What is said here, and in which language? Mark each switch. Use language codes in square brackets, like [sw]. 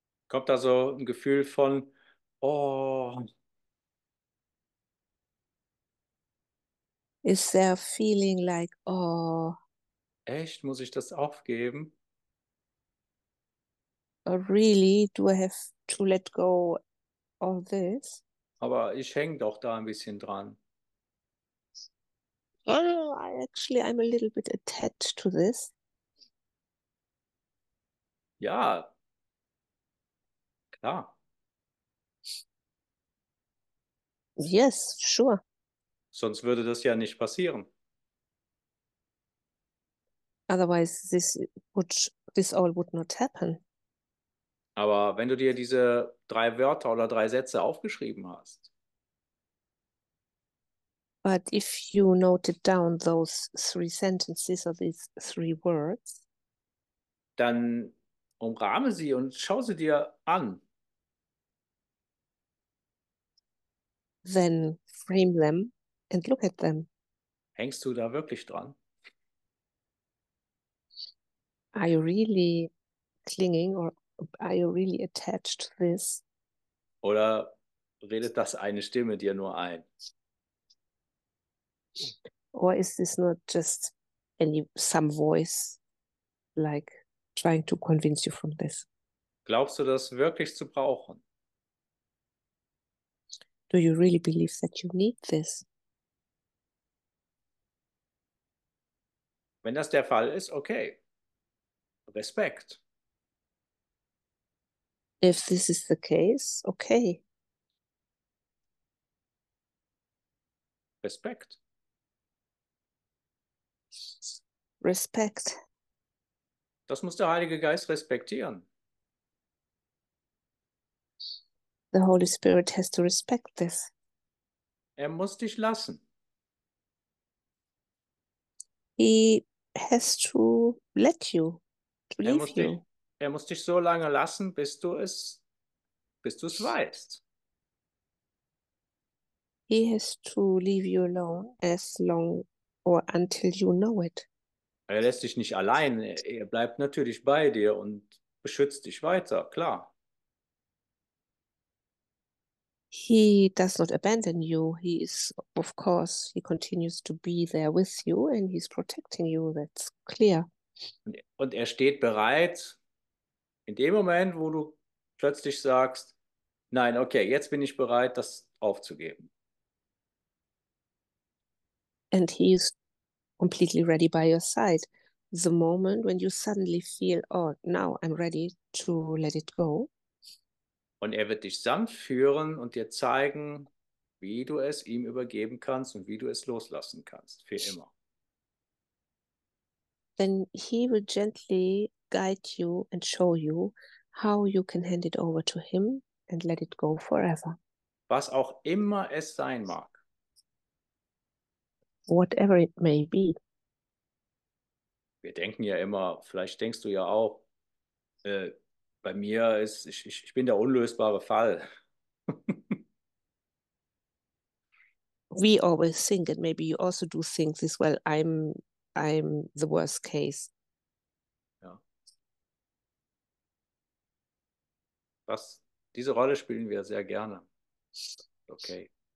[de] Kommt da so ein Gefühl von, oh. [en] Is there a feeling like, oh. [de] Echt, muss ich das aufgeben? [en] Really, do I have to let go of this? [de] Aber ich hänge doch da ein bisschen dran. [en] Actually, I'm a little bit attached to this. [de] Ja, klar. [en] Yes, sure. [de] Sonst würde das ja nicht passieren. [en] Otherwise, this all would not happen. [de] Aber wenn du dir diese drei Wörter oder drei Sätze aufgeschrieben hast. [en] But if you noted down those three sentences or these three words, [de] dann umrahme sie und schau sie dir an. [en] Then frame them and look at them. [de] Hängst du da wirklich dran? [en] Are you really clinging or are you really attached to this? [de] Oder redet das eine Stimme dir nur ein? [en] Or is this not just some voice like trying to convince you from this? [de] Glaubst du das wirklich zu brauchen? [en] Do you really believe that you need this? [de] Wenn das der Fall ist, okay. Respekt. [en] If this is the case, okay. [de] Respekt. Respekt. Das muss der Heilige Geist respektieren. [en] The Holy Spirit has to respect this. [de] Er muss dich lassen. [en] He has to let you, to leave you. [de] Er muss dich so lange lassen, bis du es weißt. [en] He has to leave you alone as long or until you know it. [de] Er lässt dich nicht allein. Er bleibt natürlich bei dir und beschützt dich weiter, klar. [en] He does not abandon you. He is, of course, he continues to be there with you and he's protecting you. That's clear. [de] Und er steht bereit in dem Moment, wo du plötzlich sagst, nein, okay, jetzt bin ich bereit, das aufzugeben. [en] And he is completely ready by your side. The moment when you suddenly feel, oh, now I'm ready to let it go. [de] Und er wird dich sanft führen und dir zeigen, wie du es ihm übergeben kannst und wie du es loslassen kannst, für immer. [en] Then he will gently guide you and show you how you can hand it over to him and let it go forever. [de] Was auch immer es sein mag. [en] Whatever it may be. [de] Wir denken ja immer, vielleicht denkst du ja auch, bei mir ist, ich bin der unlösbare Fall. [en] We always think, and maybe you also do think this, well, I'm the worst case. [de] Ja. Diese Rolle spielen wir sehr gerne. Okay.